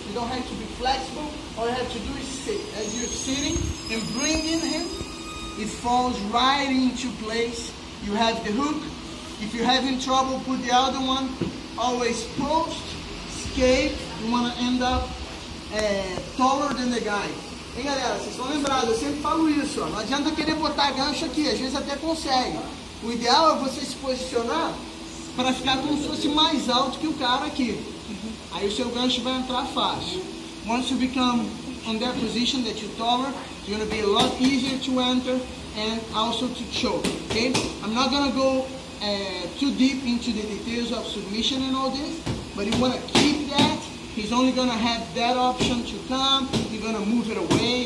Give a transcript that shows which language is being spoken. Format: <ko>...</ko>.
<en>You don't have to be flexible. All you have to do is sit. As you're sitting and bringing him, it falls right into place. You have the hook. If you're having trouble, put the other one. Always post, escape. You want to end up taller than the guy.</en> <pt>Hein, galera? Vocês estão lembrados, eu sempre falo isso, ó. Não adianta querer botar gancho aqui, às vezes até consegue. O ideal é você se posicionar para ficar como se fosse mais alto que o cara aqui. Aí o seu gancho vai entrar fácil.</pt> <en>Once you become on that position that you're taller, it's going to be a lot easier to enter and also to choke, okay? I'm not going to go too deep into the details of submission and all this, but you want to keep that. He's only gonna have that option to come. You're gonna move it away.</en>